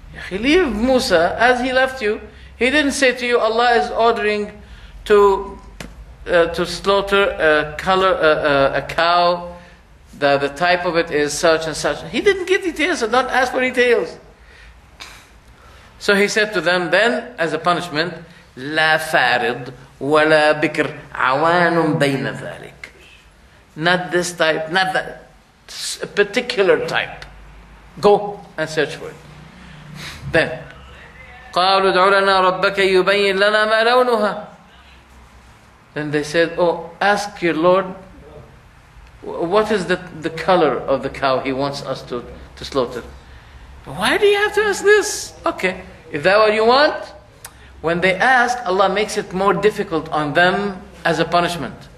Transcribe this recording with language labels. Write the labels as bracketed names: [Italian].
[English] Leave Musa, as he left you, he didn't say to you, Allah is ordering to slaughter a cow, that the type of it is such and such. He didn't give details, so don't ask for details. So he said to them then, as a punishment, [Arabic] لا فارض ولا بكر عوان بين ذلك. [English] Not this type, not that particular type. Go and search for it. Then, [Arabic] قالوا ادع لنا ربك يبين لنا ما لونها. [English] Then they said, oh, ask your Lord, what is the color of the cow he wants us to slaughter? Why do you have to ask this? Okay, is that what you want? When they ask, Allah makes it more difficult on them as a punishment.